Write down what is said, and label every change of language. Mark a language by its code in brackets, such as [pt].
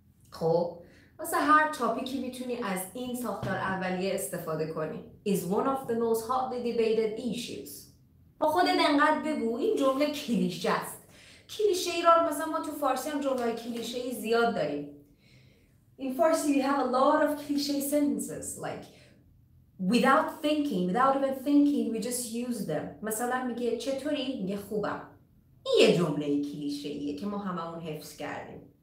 [fa] خب واسه هر تاپیکی میتونی از این ساختار اولیه استفاده کنی. [en] Is one of the most hotly debated issues. [fa] با خودت انقدر بگو این جمله کلیشه است. کلیشه ای را مثلا ما تو فارسی هم جمله کلیشه ای زیاد داریم. [en] In Farsi we have a lot of cliche sentences like without even thinking we just use them. [fa] مثلا میگه چطوری؟ میگه خوبم. این یه جمله کلیشه ایه که ما هممون حفظ کردیم.